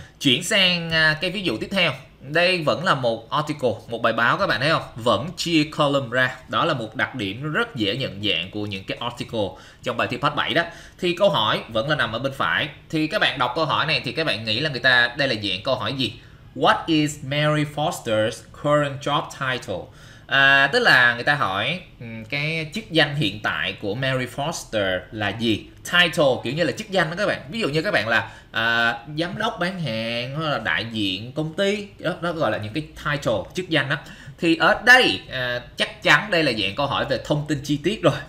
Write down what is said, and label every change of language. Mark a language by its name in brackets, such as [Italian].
[Vietnamese] Chuyển sang cái ví dụ tiếp theo. Đây vẫn là một article, một bài báo các bạn thấy không? Vẫn chia column ra. Đó là một đặc điểm rất dễ nhận dạng của những cái article trong bài thi part 7 đó. Thì câu hỏi vẫn là nằm ở bên phải. Thì các bạn đọc câu hỏi này thì các bạn nghĩ là người ta đây là dạng câu hỏi gì? [English] What is Mary Foster's current job title? [Vietnamese] À, tức là người ta hỏi cái chức danh hiện tại của Mary Foster là gì? Title kiểu như là chức danh đó các bạn. Ví dụ như các bạn là giám đốc bán hàng hoặc là đại diện công ty đó, đó gọi là những cái title, chức danh đó. Thì ở đây chắc chắn đây là dạng câu hỏi về thông tin chi tiết rồi.